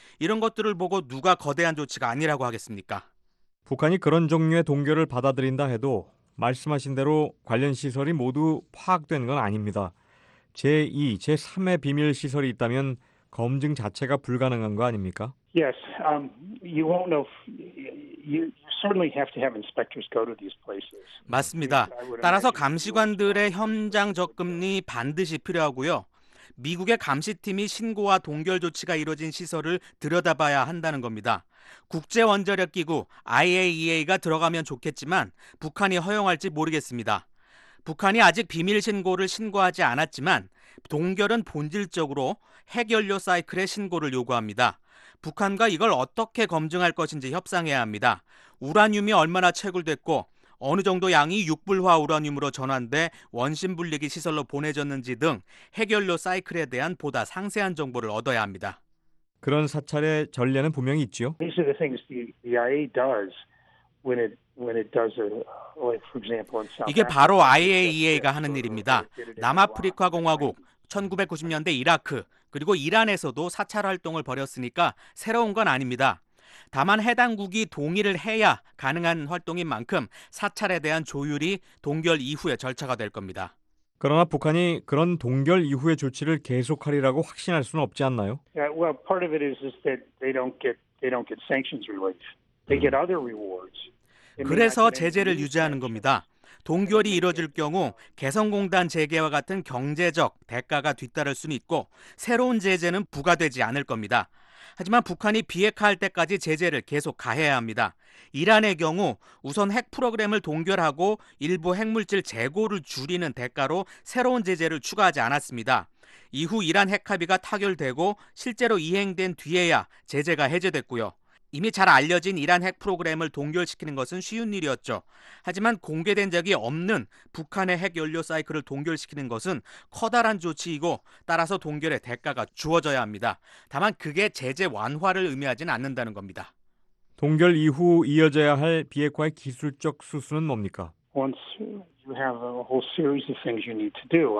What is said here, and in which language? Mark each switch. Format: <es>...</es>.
<ko>이런 것들을 보고 누가 거대한 조치가 아니라고 하겠습니까? 북한이 그런 종류의 동결을 받아들인다 해도 말씀하신 대로 관련 시설이 모두 파악된 건 아닙니다. 제2, 제3의 비밀 시설이 있다면 검증 자체가 불가능한 거 아닙니까?</ko> <en>Yes, you won't know. You certainly have to have inspectors go to these places.</en> <ko>맞습니다. 따라서 감시관들의 현장 접근이 반드시 필요하고요. 미국의 감시팀이 신고와 동결 조치가 이루어진 시설을 들여다봐야 한다는 겁니다. 국제원자력기구 IAEA가 들어가면 좋겠지만 북한이 허용할지 모르겠습니다. 북한이 아직 비밀신고를 신고하지 않았지만 동결은 본질적으로 핵연료 사이클의 신고를 요구합니다. 북한과 이걸 어떻게 검증할 것인지 협상해야 합니다. 우라늄이 얼마나 채굴됐고 어느 정도 양이 육불화 우라늄으로 전환돼 원심분리기 시설로 보내졌는지 등 핵연료 사이클에 대한 보다 상세한 정보를 얻어야 합니다. 그런 사찰의 전례는 분명히 있지요.</ko> <en>These are the things the IAEA does when it does a, like for example, in South Africa.</en> <ko>이게 바로 IAEA가 하는 일입니다. 남아프리카 공화국, 1990년대 이라크, 그리고 이란에서도 사찰 활동을 벌였으니까 새로운 건 아닙니다. 다만 해당국이 동의를 해야 가능한 활동인 만큼 사찰에 대한 조율이 동결 이후의 절차가 될 겁니다. 그러나 북한이 그런 동결 이후의 조치를 계속하리라고 확신할 수는 없지 않나요?</ko> <en>Yeah, well, part of it is that they don't get sanctions relief. They get other rewards.</en> <ko>그래서 제재를 유지하는 겁니다. 동결이 이루어질 경우 개성공단 재개와 같은 경제적 대가가 뒤따를 수는 있고 새로운 제재는 부과되지 않을 겁니다. 하지만 북한이 비핵화할 때까지 제재를 계속 가해야 합니다. 이란의 경우 우선 핵 프로그램을 동결하고 일부 핵물질 재고를 줄이는 대가로 새로운 제재를 추가하지 않았습니다. 이후 이란 핵합의가 타결되고 실제로 이행된 뒤에야 제재가 해제됐고요. 이미 잘 알려진 이란 핵 프로그램을 동결시키는 것은 쉬운 일이었죠. 하지만 공개된 적이 없는 북한의 핵 연료 사이클을 동결시키는 것은 커다란 조치이고 따라서 동결의 대가가 주어져야 합니다. 다만 그게 제재 완화를 의미하진 않는다는 겁니다. 동결 이후 이어져야 할 비핵화의 기술적 수순은 뭡니까?</ko> <en>Once you have a whole series of things you need to do.</en>